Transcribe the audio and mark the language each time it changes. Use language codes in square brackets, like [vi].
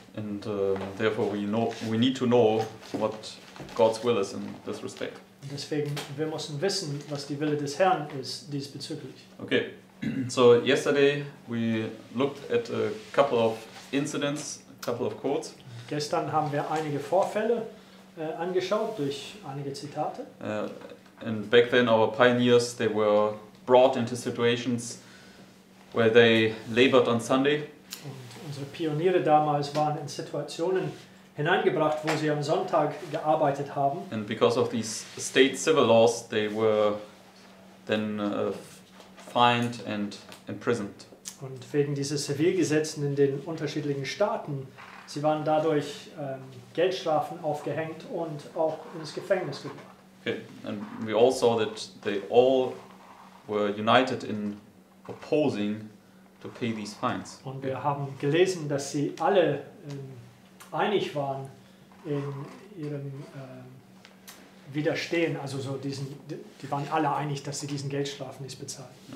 [en] And therefore we need to know what God's will is in this respect. [de] Und deswegen wir müssen wissen, was die Wille des Herrn ist diesbezüglich. [en] Okay. So yesterday we looked at a couple of incidents, a couple of quotes. [de] Gestern haben wir einige Vorfälle angeschaut durch einige Zitate. [en] And back then our pioneers, they were brought into situations where they labored on Sunday. [de] Und unsere Pioniere damals waren in Situationen hineingebracht, wo sie am Sonntag gearbeitet haben. [en] And because of these state civil laws, they were then fined and imprisoned. [de] Und wegen dieser Zivilgesetzen in den unterschiedlichen Staaten, sie waren dadurch Geldstrafen aufgehängt und auch ins Gefängnis gebracht. Okay. [en] And we all saw that they all were united in opposing to pay these fines. [de] Und wir haben gelesen, dass sie alle einig waren in ihrem Widerstehen, also so diesen, die waren alle einig, dass sie diesen Geldstrafen nicht bezahlen.